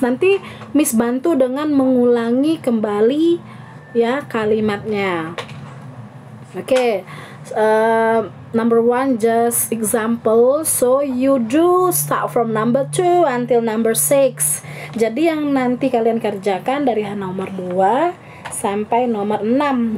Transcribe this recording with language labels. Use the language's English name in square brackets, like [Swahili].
[Indonesian] Nanti Miss bantu dengan mengulangi kembali ya kalimatnya. [English] Oke. Number one, just example. So you do start from number 2 until number 6. [Indonesian] Jadi yang nanti kalian kerjakan dari nomor 2 sampai nomor 6.